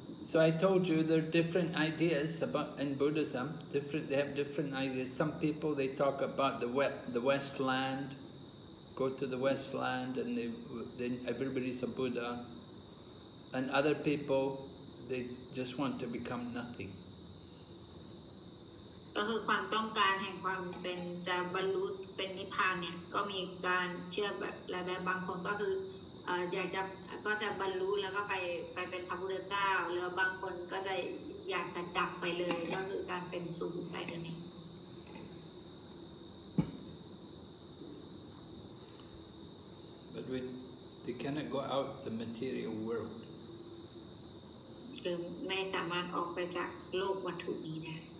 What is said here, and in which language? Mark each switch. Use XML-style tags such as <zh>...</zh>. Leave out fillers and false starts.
<en>So I told you there are different ideas about in Buddhism. Different, they have different ideas. Some people they talk about the West land, go to the West land, and then everybody's a Buddha. And other people, they just want to become nothing.</en> <th>ก็คือความต้องการแห่งความเป็นจะบรรลุเป็นนิพพานเนี่ยก็มีการเชื่อแบบหลายแบบบางคนก็คืออยากจะก็จะบรรลุแล้วก็ไปเป็นพระพุทธเจ้าแล้วบางคนก็จะอยากจะดับไปเลยก็คือการเป็นสูงไปกันเอง</th> <en>But we they cannot go out the material world</en> <th>คือไม่สามารถออกไปจากโลกวัตถุนี้ได้</th>